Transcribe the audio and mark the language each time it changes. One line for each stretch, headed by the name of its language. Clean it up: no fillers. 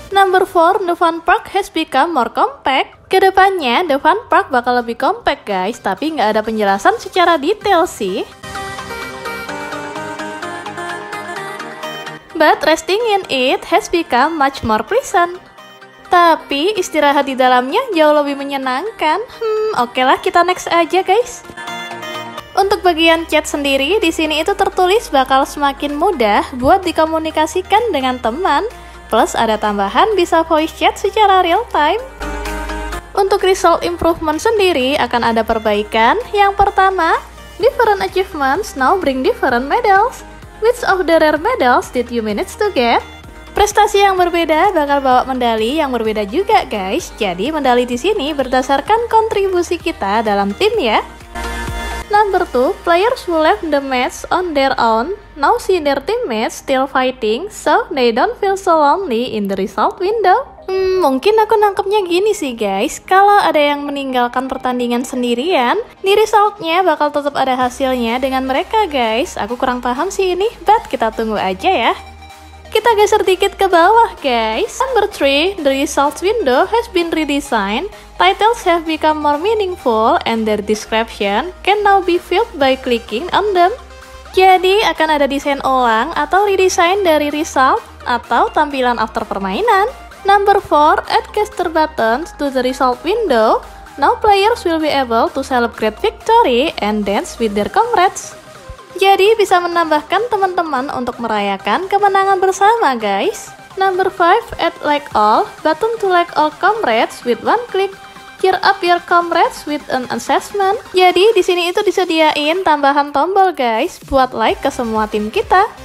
English: Number 4, the fun park has become more compact. Kedepannya, the fun park
Indonesian: bakal lebih compact, guys. Tapi nggak ada penjelasan secara detail sih.
English: But resting in it has become much more pleasant.
Indonesian: Tapi istirahat di dalamnya jauh lebih menyenangkan. Okelah, kita next aja, guys. Untuk bagian chat sendiri, di sini itu tertulis bakal semakin mudah buat dikomunikasikan dengan teman. Plus ada tambahan bisa voice chat secara real time. Untuk result improvement sendiri akan ada perbaikan. Yang pertama,
English: different achievements now bring different medals. Which of the rare medals did you manage to get?
Indonesian: Prestasi yang berbeda bakal bawa medali yang berbeda juga, guys. Jadi medali di sini berdasarkan kontribusi kita dalam tim ya.
English: Number 2, players who left the match on their own now see their teammates still fighting, so they don't feel so lonely in the result window.
Indonesian: Mungkin aku nangkepnya gini sih, guys. Kalau ada yang meninggalkan pertandingan sendirian, di resultnya bakal tetap ada hasilnya dengan mereka, guys. Aku kurang paham sih ini, but kita tunggu aja ya. Kita geser dikit ke bawah, guys.
English: Number 3, the results window has been redesigned. Titles have become more meaningful and their description can now be filled by clicking on them.
Indonesian: Jadi, akan ada desain ulang atau redesign dari result atau tampilan after permainan.
English: Number 4, add caster buttons to the result window. Now players will be able to celebrate victory and dance with their comrades.
Indonesian: Jadi bisa menambahkan teman-teman untuk merayakan kemenangan bersama, guys.
English: Number 5, add like all button to like all comrades with one click. Cheer up your comrades with an assessment.
Indonesian: Jadi di sini itu disediain tambahan tombol, guys, buat like ke semua tim kita.